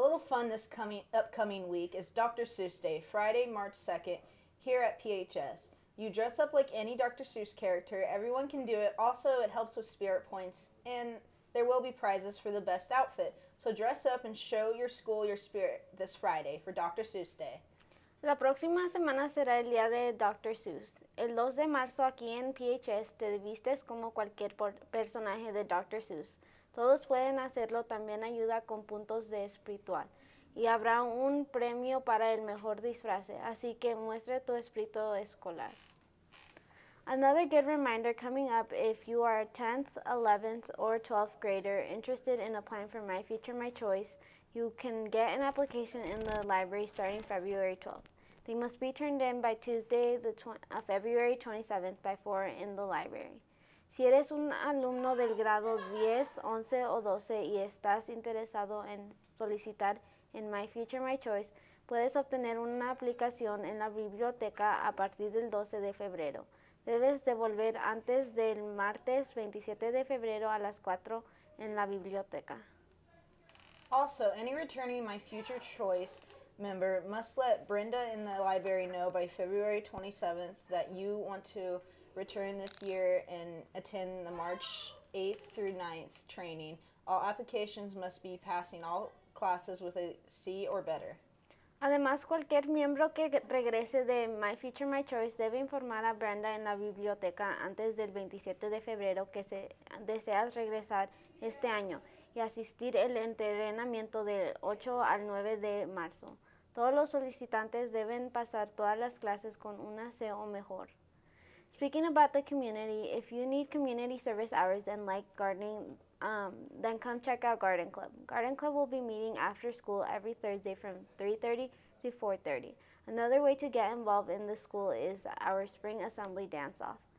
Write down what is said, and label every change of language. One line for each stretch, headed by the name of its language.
English: fun this upcoming week is Dr. Seuss Day, Friday, March 2nd, here at PHS. You dress up like any Dr. Seuss character. Everyone can do it. Also, it helps with spirit points, and there will be prizes for the best outfit. So dress up and show your school your spirit this Friday for Dr. Seuss Day.
Spanish: La próxima semana será el día de Dr. Seuss. El 2 de marzo aquí en PHS te vistes como cualquier personaje de Dr. Seuss. Todos pueden hacerlo, también ayuda con puntos de espiritual. Y habrá un premio para el mejor disfraz, así que muestre tu espíritu escolar.
English: Another good reminder coming up, if you are a 10th, 11th, or 12th grader interested in applying for My Future, My Choice, you can get an application in the library starting February 12th. They must be turned in by Tuesday, February 27th, by 4 in the library.
Spanish: Si eres un alumno del grado 10, 11, o 12 y estás interesado en solicitar en My Future, My Choice, puedes obtener una aplicación en la biblioteca a partir del 12 de febrero. Debes devolver antes del martes 27 de febrero a las 4 en la biblioteca.
English: Also, any returning My Future Choice member must let Brenda in the library know by February 27th that you want to return this year and attend the March 8th through 9th training. All applications must be passing all classes with a C or better.
Spanish: Además, cualquier miembro que regrese de My Future My Choice debe informar a Brenda en la biblioteca antes del 27 de febrero que deseas regresar este año y asistir el entrenamiento del 8 al 9 de marzo. Todos los solicitantes deben pasar todas las clases con una C o mejor.
English: Speaking about the community, if you need community service hours and like gardening, then come check out Garden Club. Garden Club will be meeting after school every Thursday from 3:30 to 4:30. Another way to get involved in the school is our spring assembly dance-off.